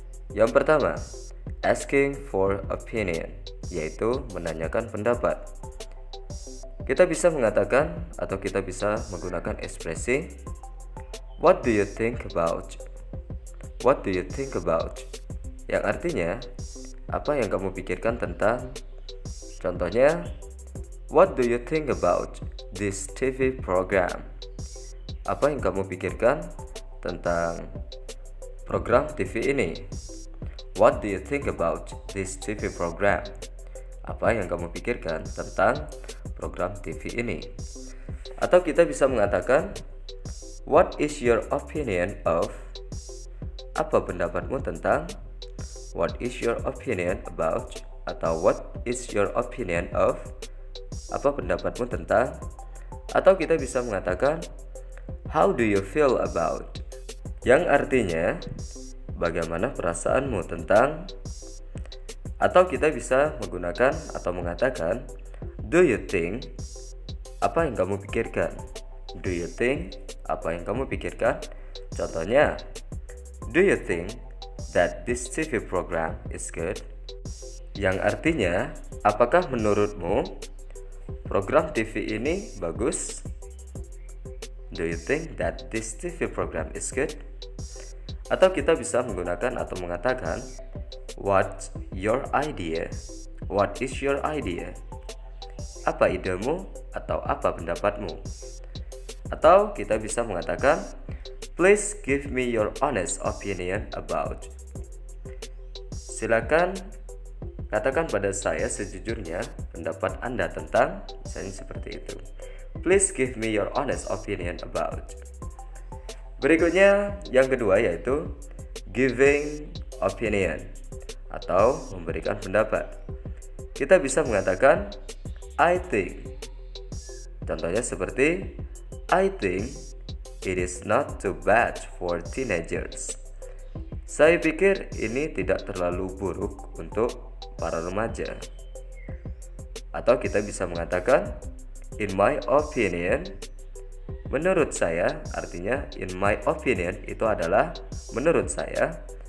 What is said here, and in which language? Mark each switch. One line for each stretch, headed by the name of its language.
Indonesian: Yang pertama, asking for opinion, yaitu menanyakan pendapat. Kita bisa mengatakan atau kita bisa menggunakan ekspresi
English: what do you think about? What do you think about?
Indonesian: Yang artinya apa yang kamu pikirkan tentang. Contohnya,
English: what do you think about this TV program?
Indonesian: Apa yang kamu pikirkan tentang program TV ini?
English: What do you think about this TV program?
Indonesian: Apa yang kamu pikirkan tentang program TV ini? Atau kita bisa mengatakan,
English: what is your opinion of?
Indonesian: Apa pendapatmu tentang?
English: What is your opinion about? Atau what is your opinion of?
Indonesian: Apa pendapatmu tentang? Atau kita bisa mengatakan,
English: how do you feel about?
Indonesian: Yang artinya, bagaimana perasaanmu tentang? Atau kita bisa menggunakan atau mengatakan,
English: do you think?
Indonesian: Apa yang kamu pikirkan?
English: Do you think?
Indonesian: Apa yang kamu pikirkan? Contohnya,
English: do you think that this TV program is good?
Indonesian: Yang artinya, apakah menurutmu program TV ini bagus?
English: Do you think that this TV program is good?
Indonesian: Atau kita bisa menggunakan atau mengatakan,
English: what's your idea? What is your idea?
Indonesian: Apa idemu atau apa pendapatmu? Atau kita bisa mengatakan,
English: please give me your honest opinion about.
Indonesian: Silakan katakan pada saya sejujurnya pendapat Anda tentang, misalnya seperti itu.
English: Please give me your honest opinion about.
Indonesian: Berikutnya, yang kedua yaitu giving opinion atau memberikan pendapat. Kita bisa mengatakan I think. Contohnya seperti
English: I think it is not too bad for teenagers.
Indonesian: Saya pikir ini tidak terlalu buruk untuk para remaja. Atau kita bisa mengatakan
English: in my opinion.
Indonesian: Menurut saya, artinya in my opinion itu adalah menurut saya.